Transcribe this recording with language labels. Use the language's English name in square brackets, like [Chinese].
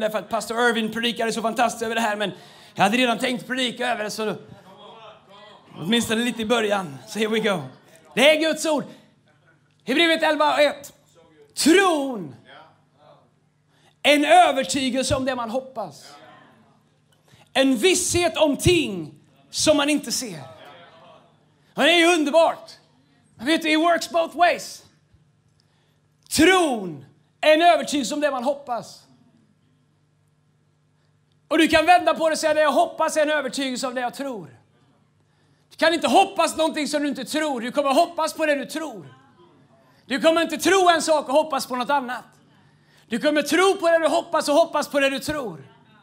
[Swedish] Därför att pastor Irvin predikade så fantastiskt över det här. Men jag hade redan tänkt predika över det. Så åtminstone lite i början. [English] So here we go. [Swedish] Det är Guds ord. Hebreerbrevet 11:1. Tron. En övertygelse om det man hoppas. En visshet om ting som man inte ser. Och det är ju underbart. Men vet du, [English] it works both ways. [Swedish] Tron är en övertygelse om det man hoppas. Och du kan vända på det och säga, det jag hoppas är en övertygelse om det jag tror. Du kan inte hoppas någonting som du inte tror. Du kommer hoppas på det du tror. Du kommer inte tro en sak och hoppas på något annat. Du kommer tro på det du hoppas och hoppas på det du tror.